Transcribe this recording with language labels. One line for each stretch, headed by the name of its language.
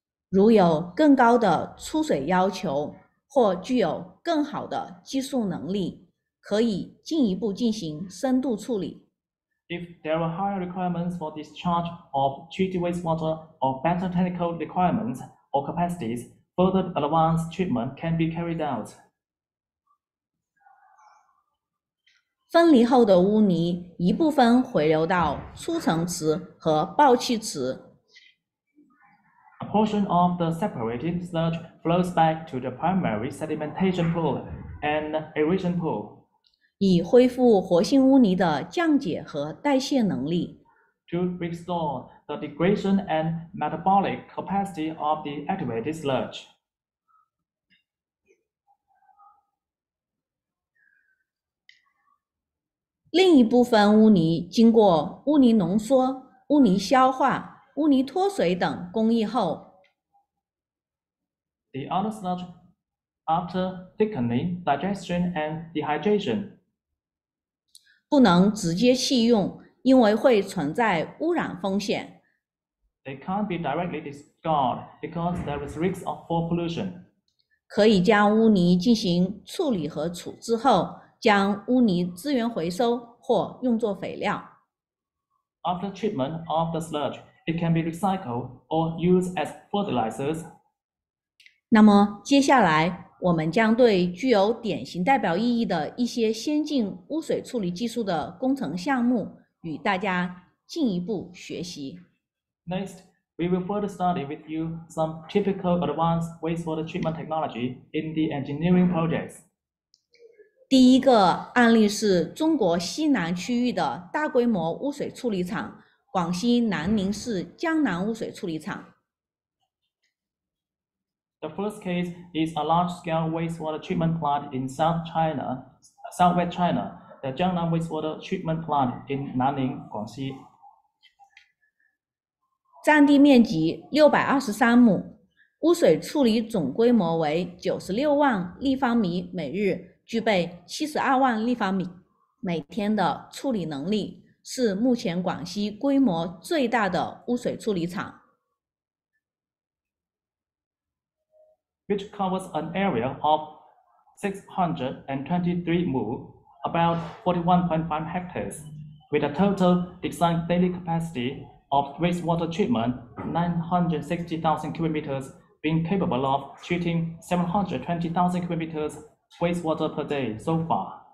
Chinese: 如有更高的出水要求或具有更好的技术能力，可以进一步进行深度处理。
English: If there are higher requirements for discharge of treated wastewater or better technical requirements or capacities, further advanced treatment can be carried out.
Chinese: 分离后的污泥一部分回流到出层池和爆气池。
English: A portion of the separated sludge flows back to the primary sedimentation pool and aeration pool.
Chinese: 以恢复活性污泥的降解和代谢能力。
English: To restore the degradation and metabolic capacity of the activated sludge.
Chinese: 另一部分污泥经过污泥浓缩、污泥消化、污泥脱水等工艺后。
English: The other sludge after thickening, digestion, and dehydration.
Chinese: 不能直接弃用，因为会存在污染风险。
English: They can't be directly discarded because there is risk of pollution.
Chinese: 可以将污泥进行处理和处置后，将污泥资源回收或用作肥料。
English: After treatment of the sludge, it can be recycled or used as fertilizers.
Chinese: 那么接下来，我们将对具有典型代表意义的一些先进污水处理技术的工程项目与大家进一步学习。
English: Next, we will further study with you some typical advanced wastewater treatment technology in the engineering projects.
Chinese: 第一个案例是中国西南区域的大规模污水处理厂，广西南宁市江南污水处理厂。
English: The first case is a large-scale wastewater treatment plant in South China, Southwest China, the Jiangnan Wastewater Treatment Plant in Nanning, Guangxi.
Chinese: 占地面积623亩，污水处理总规模为96万立方米每日，具备72万立方米每天的处理能力，是目前广西规模最大的污水处理厂。
English: Which covers an area of 623 mu, about 41.5 hectares, with a total designed daily capacity of wastewater treatment 960,000 cubic meters, being capable of treating 720,000 cubic meters wastewater per day so far.